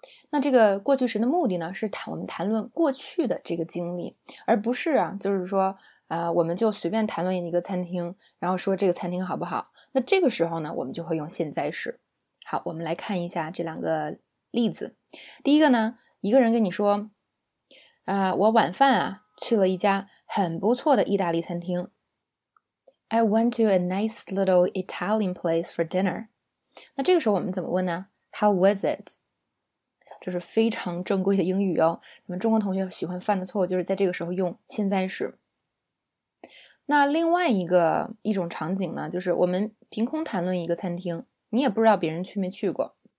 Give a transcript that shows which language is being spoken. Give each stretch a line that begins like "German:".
Chinese: 那这个过去时的目的呢，是我们谈论过去的这个经历，而不是啊，就是说我们就随便谈论一个餐厅，然后说这个餐厅好不好。那这个时候呢，我们就会用现在时。好，我们来看一下这两个例子。第一个呢，一个人跟你说我晚饭啊去了一家很不错的意大利餐厅。
English: I went to a nice little Italian place for dinner.
Chinese: 那这个时候我们怎么问呢？
English: How was it?
Chinese: 就是非常正规的英语哦。你们中国同学喜欢犯的错误就是在这个时候用现在时。那另外一种场景呢，就是我们凭空谈论一个餐厅，你也不知道别人去没去过。